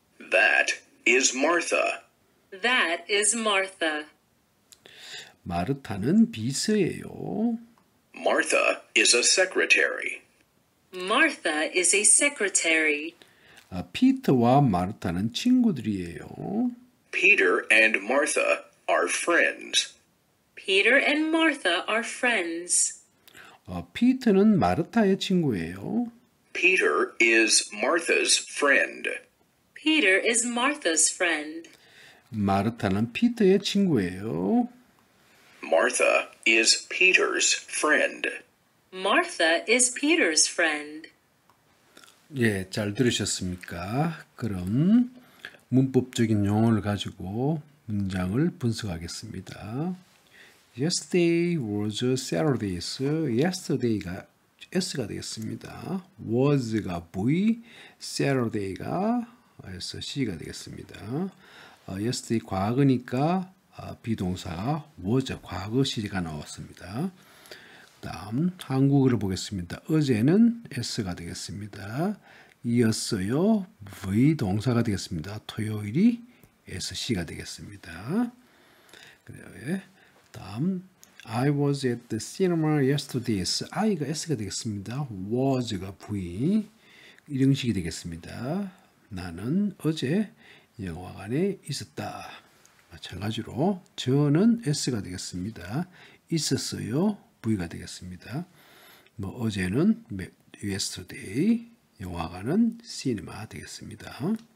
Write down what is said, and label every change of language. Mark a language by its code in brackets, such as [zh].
[en] That is Martha. That is Martha. [ko] 마르타는 비서예요. [en] Martha is a secretary. Martha is a secretary. [ko] 아, 피터와 마르타는 친구들이에요. [en] Peter and Martha are friends. Peter and Martha are friends. [ko] 아, 피터는 마르타의 친구예요. [en] Peter is Martha's friend. Peter is Martha's friend. [ko] 마르타는 피터의 친구예요. [en] Martha is Peter's friend. Martha is Peter's friend. [ko] 예, 잘 들으셨습니까? 그럼 문법적인 용어를 가지고 문장을 분석하겠습니다. [en] Yesterday was a Saturday. [ko] Yesterday가 S가 되겠습니다. Was가 V, Saturday가 S, C가 되겠습니다. Yesterday 과거니까 비동사가 was, 과거 시제가 나왔습니다. 다음 한국어를 보겠습니다. 어제는 S가 되겠습니다. 이었어요. V 동사가 되겠습니다. 토요일이 SC가 되겠습니다. 그래요. 예. 다음 [en] I was at the cinema yesterday. [ko] I가 S가 되겠습니다. Was가 V 이런 식이 되겠습니다. 나는 어제 영화관에 있었다. 마찬가지로 저는 S가 되겠습니다. 있었어요. V가 되겠습니다. 뭐 어제는 yesterday, 영화관은 cinema 되겠습니다.